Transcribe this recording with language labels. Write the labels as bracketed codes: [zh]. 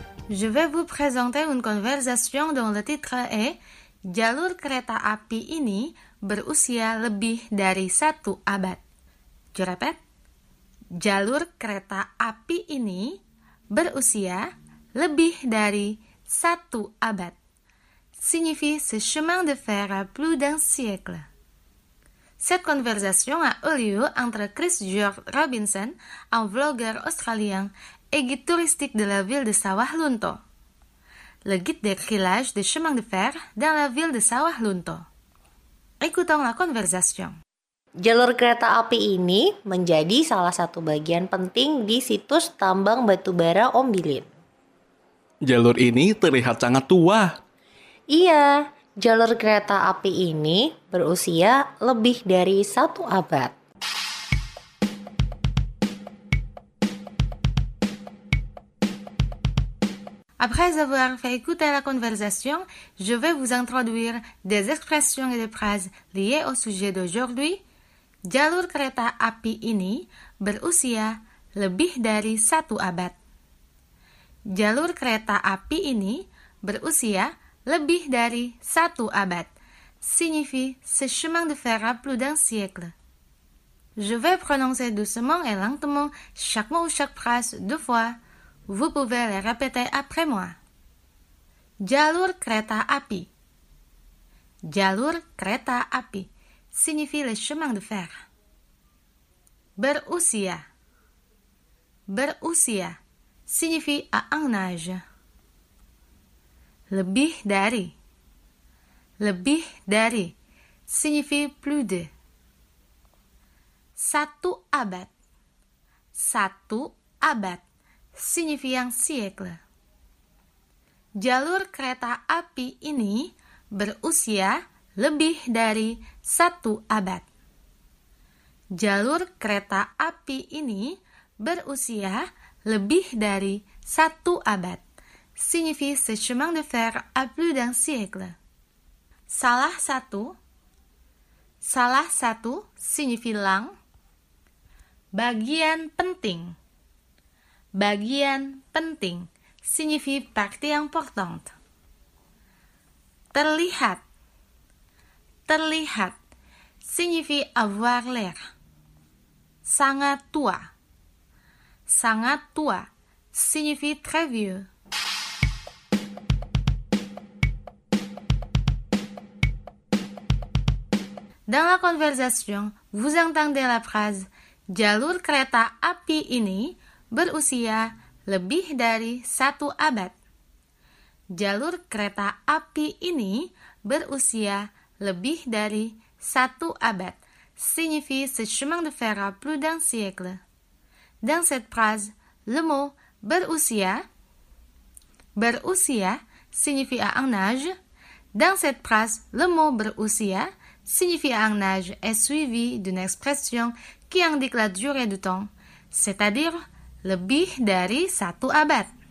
[fr] Je vais vous présenter une conversation dont le titre est « [id] Jalur kereta api ini berusia lebih dari satu abad ». [fr] Je répète. [id] Jalur kereta api ini berusia lebih dari satu abad. [fr] Signifie « ce chemin de fer a plus d'un siècle ». Cette conversation a eu lieu entre Chris George Robinson, un vlogueur australien, et guide touristique de la ville de Sawah Lunto. Le guide décrit l'âge des chemins de fer dans la ville de Sawah Lunto. Écoutons la conversation. [id] Jalur kereta api ini menjadi salah satu bagian penting di situs tambang batubara Ombilin. Jalur ini terlihat sangat tua. Iya, jalur kereta api ini berusia lebih dari satu abad. [fr] Après avoir fait écouter la conversation, je vais vous introduire des expressions et des phrases liées au sujet d'aujourd'hui. [id] Jalur kereta api ini berusia lebih dari satu abad. Jalur kereta api ini berusia lebih dari satu abad. [fr] Signifie ce chemin de fer a plus d'un siècle. Je vais prononcer doucement et lentement chaque mot ou chaque phrase deux fois. Vous pouvez le répéter après moi. [id] Jalur kereta api. Jalur kereta api [fr] signifie le chemin de fer. Berusia. Berusia signifie à un âge. [id] Lebih dari. Lebih dari [fr] signifie plus de. [id] Satu abad. Satu abad [fr] signifie un siècle. [id] Jalur kereta api ini berusia lebih dari satu abad. Jalur kereta api ini berusia lebih dari satu abad. [fr] Signifie ce chemin de fer a plus d'un siècle. Salah satu. Salah satu signifie lang. [id] Bagian penting. Bagian penting [fr] signifie partie importante. Terlihat. Terlihat signifie avoir l'air. [id] Sangat tua. Sangat tua [fr] signifie très vieux. Dans la conversation, vous entendez la phrase [id] jalur kereta api ini berusia lebih dari satu abad. Jalur kereta api ini berusia lebih dari satu abad. [fr] Signifie ce chemin de fer a plus d'un siècle. Dans cette phrase, le mot berusia, berusia signifie à un âge. Dans cette phrase, le mot berusia signifie un âge est suivi d'une expression qui indique la durée du temps, c'est-à-dire [id] lebih dari satu abad.